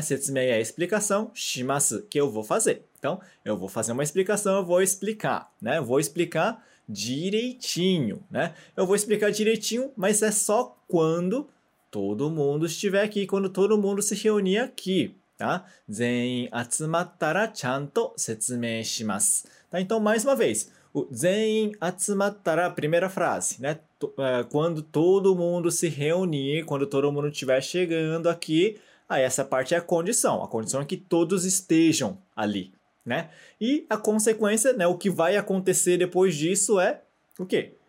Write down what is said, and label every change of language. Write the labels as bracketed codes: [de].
[pt] Setsumei é explicação, shimasu, que eu vou fazer. Então, eu vou fazer uma explicação, eu vou explicar, né? Vou explicar direitinho, né? Eu vou explicar direitinho, mas é só quando todo mundo estiver aqui, quando todo mundo se reunir aqui. Tá? [ja] 全員集まったらちゃんと説明します。 [pt] Tá? Então, mais uma vez, o [ja] 全員集まったら, [pt] primeira frase, né? Quando todo mundo se reunir, quando todo mundo estiver chegando aqui, aí essa parte é a condição. A condição é que todos estejam ali, né? E a consequência, né? O que vai acontecer depois disso é o quê?